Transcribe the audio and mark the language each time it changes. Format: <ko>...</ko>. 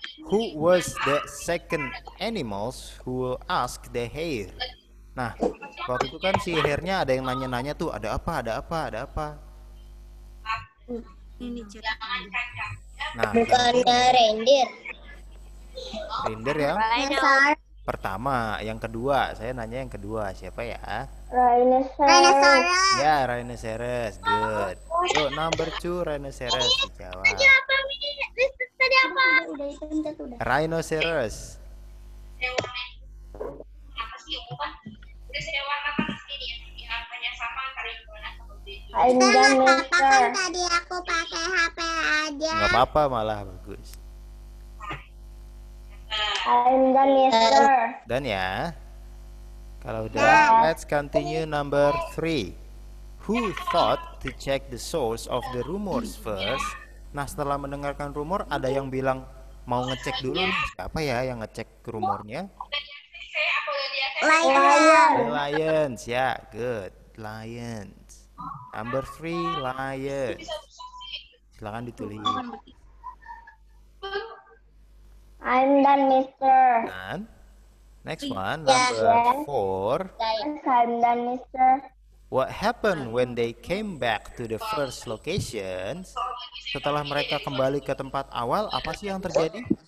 <en>Who was the second animals who will ask the hare?</en> <id>Nah, waktu itu kan si hare-nya ada yang nanya-nanya tuh, ada apa, ada apa, ada apa. Ini nah, bukannya reindeer. Reindeer ya? Pertama, yang kedua, saya nanya yang kedua, siapa ya?</id> <en>Rhinoceros. Ya, rhinoceros, good. So, number two, rhinoceros.</en> <id>Tadi apa, Mi? Tadi apa? Udah.</id> <en>Rhinoceros.</en> <id>Tidak apa-apa, kan tadi aku pakai HP aja. Nggak apa-apa, malah bagus.</id> <en>I'm done, Mister. Done ya. Kalau udah, yeah. Let's continue number three. Who thought to check the source of the rumors first?</en> <id>Nah, setelah mendengarkan rumor, ada yang bilang mau ngecek dulu. Siapa ya yang ngecek rumornya?</id> <en>Lions. Ya, yeah, good. Lions. Number three, lions.</en> <id>Silakan ditulis.</id> <en>I'm done, Mister. Dan next one, number four. I'm done, Mister. What happened when they came back to the first location?</en> <id>Setelah mereka kembali ke tempat awal, apa sih yang terjadi?</id>